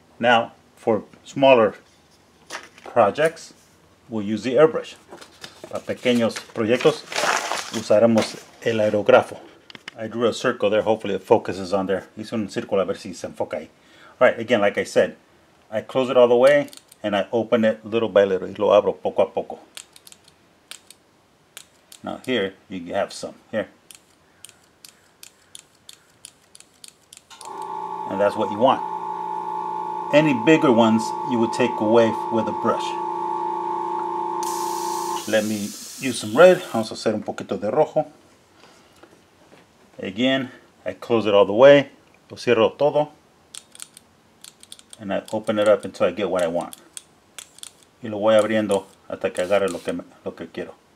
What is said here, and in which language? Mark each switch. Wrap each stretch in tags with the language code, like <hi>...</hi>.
<en>Now, for smaller projects, we'll use the airbrush.</en> <es>Para pequeños proyectos, usaremos el aerógrafo.</es> <en>I drew a circle there. Hopefully, it focuses on there.</en> <es>Hice un círculo a ver si se enfoca ahí.</es> <en>All right. Again, like I said, I close it all the way and I open it little by little.</en> <es>Y lo abro poco a poco.</es> <en>Now here you have some here, and that's what you want. Any bigger ones you would take away with a brush. Let me use some red.</en> <es>Vamos a hacer un poquito de rojo.</es> <en>Again, I close it all the way.</en> <es>Lo cierro todo.</es> <en>And I open it up until I get what I want.</en> <es>Y lo voy abriendo hasta que agarre lo que quiero.</es>